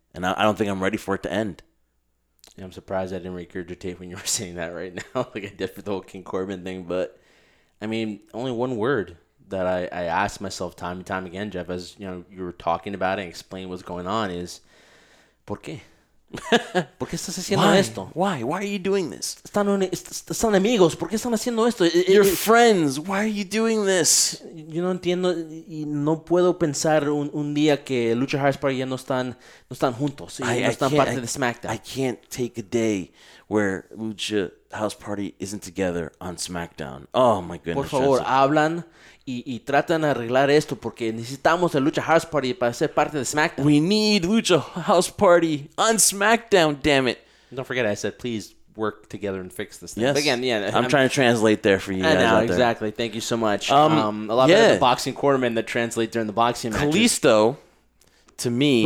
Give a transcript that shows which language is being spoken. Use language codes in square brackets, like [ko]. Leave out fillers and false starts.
[en] And I don't think I'm ready for it to end. Yeah, I'm surprised I didn't regurgitate when you were saying that right now, like I did for the whole King Corbin thing. But, I mean, only one word that I asked myself time and time again, Jeff, as you know, you were talking about it and explaining what's going on is, [es] ¿por qué? ¿Por qué estás haciendo esto? [en] Why are you doing this? [es] Están amigos. ¿Por qué están haciendo esto? [en] You're friends. Why are you doing this? [es] Yo no entiendo y no puedo pensar un día que Lucha House Party ya no están juntos. No están parte de SmackDown. [en] I can't take a day where Lucha House Party isn't together on SmackDown. Oh, my goodness. [es] Por favor, hablan y tratan de arreglar esto porque necesitamos el Lucha House Party para ser parte de SmackDown. [en] We need Lucha House Party on SmackDown, damn it. Don't forget, I said please work together and fix this thing. Yes. Again, I'm trying to translate there for you guys. I know, out exactly. There. Thank you so much. A lot better than the boxing quartermen that translate during the boxing matches. Kalisto, to me,